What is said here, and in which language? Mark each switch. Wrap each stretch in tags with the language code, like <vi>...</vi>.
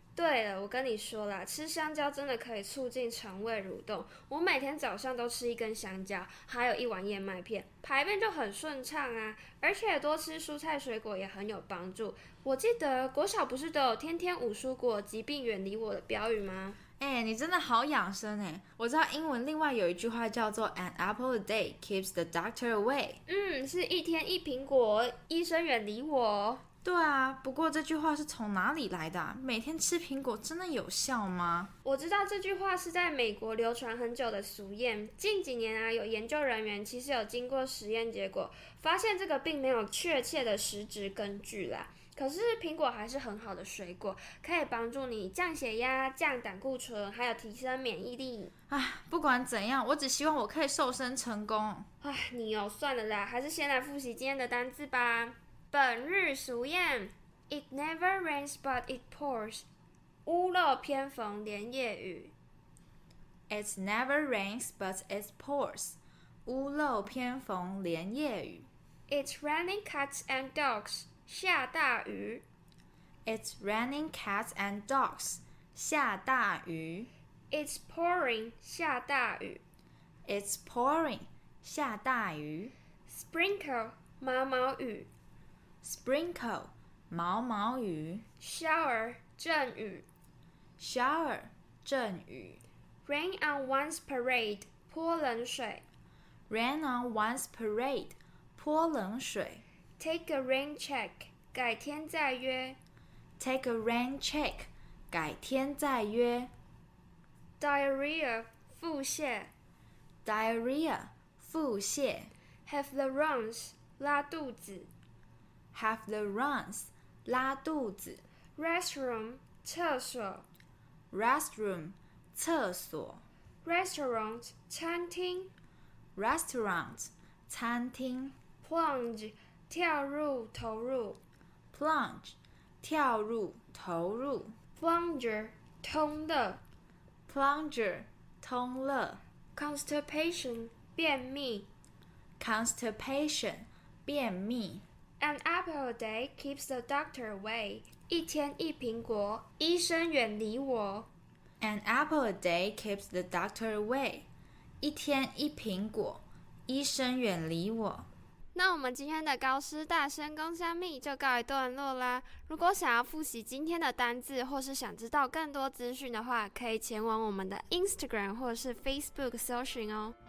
<zh>对了，我跟你说啦，吃香蕉真的可以促进肠胃蠕动，我每天早上都吃一根香蕉还有一碗燕麦片，排便就很顺畅啊。而且多吃蔬菜水果也很有帮助。我记得国小不是都有天天五蔬果疾病远离我的标语吗？你真的好养生耶。我知道英文另外有一句话叫做</zh> <en>An apple a day keeps the doctor away。</en> <zh>是一天一苹果，医生远离我。对啊，不过这句话是从哪里来的啊？每天吃苹果真的有效吗？我知道这句话是在美国流传很久的俗谚。近几年啊，有研究人员其实有经过实验，结果发现这个并没有确切的实质根据啦。可是苹果还是很好的水果，可以帮助你降血压、降胆固醇，还有提升免疫力。不管怎样，我只希望我可以瘦身成功。你哦，算了啦，还是先来复习今天的单字吧。本日俗谚</zh> <en>It never rains but it pours，</en> <zh>屋漏偏逢连夜雨。</zh> <en>It never rains but it pours，</en> <zh>屋漏偏逢连夜雨。</zh> <en>It's raining cats and dogs，</en> <zh>下大雨。</zh> <en>It's raining cats and dogs，</en> <zh>下大雨。</zh> <en>It's pouring，</en> <zh>下大雨。</zh> <en>It's pouring，</en> <zh>下大雨。 Sprinkle， 毛毛雨。 Sprinkle， 毛毛雨。 Shower， 阵雨。 Shower， 阵雨。</zh> <en>Rain on one's parade，</en> <zh>泼冷水。</zh> <en>Rain on one's parade，</en> <zh>泼冷水。</zh> <en>Take a rain check，</en> <zh>改天再约。</zh> <en>Take a rain check，</en> <zh>改天再约。 Diarrhea， 腹泻。 Diarrhea， 腹泻。</zh> <en>Have the runs，</en> <zh>拉肚子。</zh> <en>Have the runs，</en> <zh>拉肚子。 Restroom， 厕所。 Restroom， 厕所。 Restaurant， 餐厅。 Restaurant， 餐厅。 Plunge。 跳入、投入。 plunge， 跳入、投入。 plunger， 通乐。 plunger， 通乐。 constipation， 便秘。 constipation， 便秘。</zh> <en>an apple a day keeps the doctor away，</en> <zh>一天一苹果，医生远离我。</zh> <en>an apple a day keeps the doctor away，</en> <zh>一天一苹果，医生远离我。那我们今天的高师大声公虾蜜就告一段落啦。如果想要复习今天的单字，或是想知道更多资讯的话，可以前往我们的 Instagram 或是 Facebook 搜寻哦。</zh>